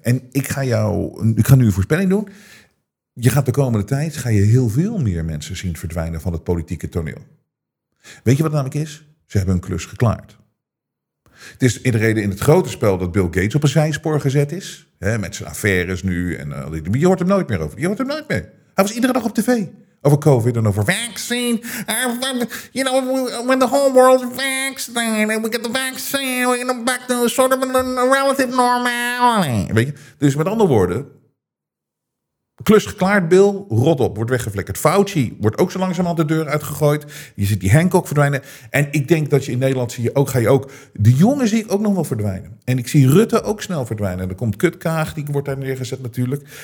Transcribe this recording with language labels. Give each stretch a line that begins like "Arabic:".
Dutch: En ik ga nu een voorspelling doen. Je gaat de komende tijd ga je heel veel meer mensen zien verdwijnen van het politieke toneel. Weet je wat het namelijk is? Ze hebben hun klus geklaard. Het is in de reden in het grote spel dat Bill Gates op een zijspoor gezet is. Hè, met zijn affaires nu. Je hoort hem nooit meer over. Je hoort hem nooit meer. Hij was iedere dag op tv. Over COVID en over vaccine.
English: You know, when the whole world's vaccinated, we get the vaccine, we get back to sort of a relative normality.
Dutch: Weet je? Dus met andere woorden, klus geklaard, Bill, rot op, wordt weggeflikkerd. Fauci wordt ook zo langzaam aan de deur uitgegooid. Je ziet die Hancock verdwijnen. En ik denk dat je in Nederland zie je ook, ga je ook, de jongen zie ik ook nog wel verdwijnen. En ik zie Rutte ook snel verdwijnen. En er komt Kutkaag, die wordt daar neergezet natuurlijk.